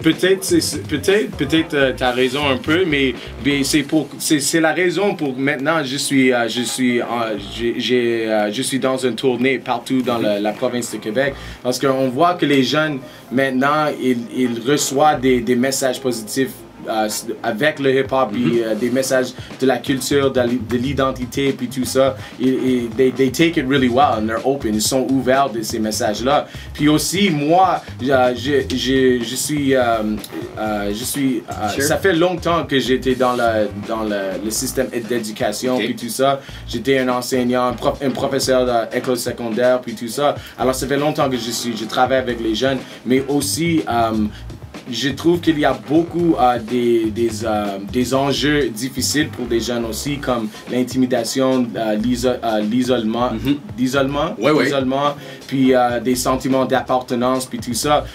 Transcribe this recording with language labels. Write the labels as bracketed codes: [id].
[fr] Peut-être, t'as raison un peu, mais c'est la raison pour maintenant je suis dans une tournée partout dans la province de Québec, parce qu'on voit que les jeunes maintenant ils reçoivent des messages positifs avec le hip-hop, puis des messages de la culture, de l'identité, puis tout ça. [en] They take it really well, and they're open. [fr] Ils sont ouverts de ces messages-là. Puis aussi, moi, je suis, ça fait longtemps que j'étais dans le système d'éducation, puis tout ça. J'étais un enseignant, un professeur d'école secondaire, puis tout ça. Alors, ça fait longtemps que je travaille avec les jeunes, mais aussi, je trouve qu'il y a beaucoup des enjeux difficiles pour des jeunes aussi, comme l'intimidation, l'isolement, l'isolement, puis des sentiments d'appartenance, puis tout ça.